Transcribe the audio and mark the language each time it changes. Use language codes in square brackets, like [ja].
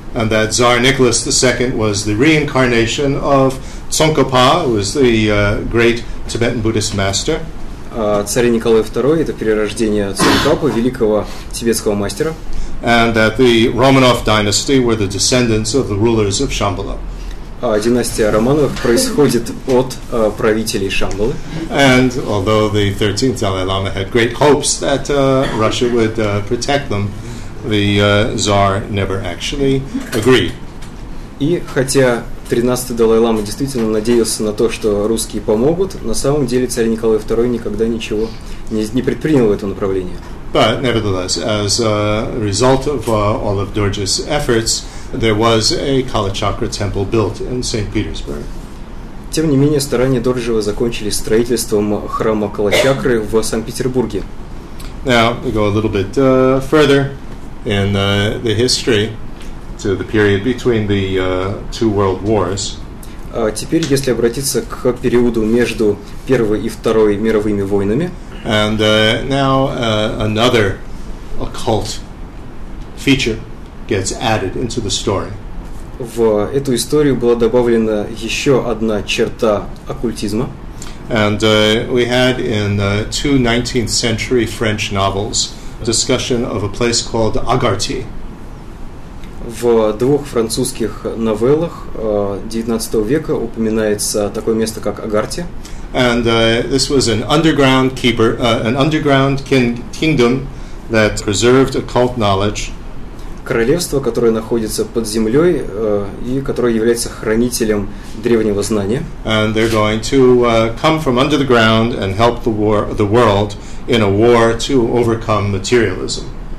[en] And that Tsar Nicholas II was the reincarnation of Tsongkhapa, who was the great Tibetan Buddhist master. [ru] Царь Николай II — это перерождение Цонгкапы, великого тибетского мастера. [en] And that the Romanov dynasty were the descendants of the rulers of Shambhala. [ru] Династия Романовых происходит от правителей Шамбалы. [en] And although the 13th Dalai Lama had great hopes that Russia would protect them, the Tsar never actually agreed. [ru] И хотя 13-й Далай Лама действительно надеялся на то, что русские помогут, на самом деле царь Николай II никогда ничего не предпринял в этом направлении. [en] But nevertheless, as a result of all of Dorje's efforts, there was a Kalachakra temple built in St. Petersburg. [ru] Тем не менее, старания Дорджиева закончились строительством храма Калачакры в Санкт-Петербурге. [en] Now, we go a little bit further in the history to the period between the two world wars. [ru] Теперь, если обратиться к периоду между Первой и Второй мировыми войнами. [en] And now another occult feature gets added into the story. [ru] В эту историю была добавлена еще одна черта оккультизма. [en] And we had in two 19th century French novels a discussion of a place called Agarty. [ru] В двух французских новеллах 19 века упоминается такое место, как Агарти. [en] And this was an underground keeper, an underground kingdom that preserved occult knowledge. [ru] Королевство, которое находится под землей и которое является хранителем древнего знания. [en] And they're going to come from under the ground and help the world in a war to overcome materialism.